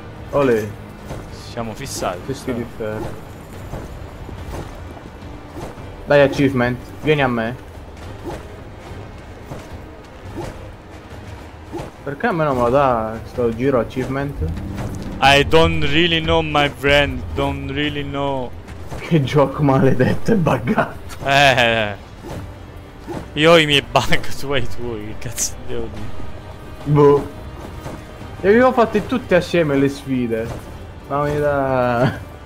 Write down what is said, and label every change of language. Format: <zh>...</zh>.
<it>olè siamo fissati. Fischi di ferro. Dai achievement, vieni a me. Perché a me non me lo dà sto giro achievement?</it> <en>I don't really know my friend, don't really know.</en> <it>Che gioco maledetto e buggato. Io ho i miei bug, tu hai i tuoi, che cazzo devo dire. Boh. E abbiamo fatto tutti assieme le sfide. Ma mi dà.</it>